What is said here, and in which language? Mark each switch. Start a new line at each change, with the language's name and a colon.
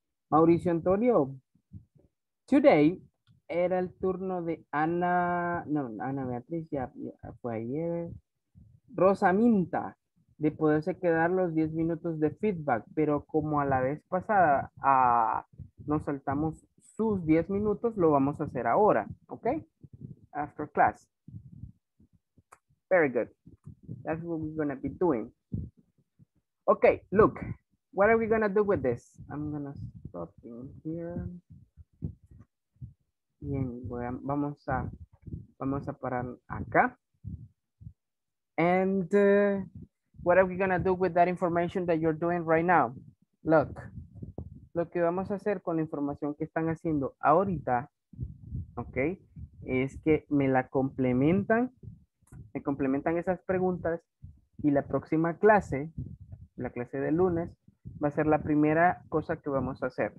Spanish: Mauricio Antonio, today era el turno de Ana, no, Ana Beatriz ya fue ayer, Rosa Minta, de poderse quedar los 10 minutos de feedback, pero como a la vez pasada nos saltamos sus 10 minutos, lo vamos a hacer ahora, ok,
English: after class. Very good, that's what we're gonna be doing. Ok, look, what are we gonna do with this? I'm gonna stop in here.
Spanish: Bien, vamos a parar acá.
English: And what are we gonna do with that information that you're doing right now?
Spanish: Look, lo que vamos a hacer con la información que están haciendo ahorita, okay, es que me complementan esas preguntas y la próxima clase, la clase de lunes, va a ser la primera cosa que vamos a hacer.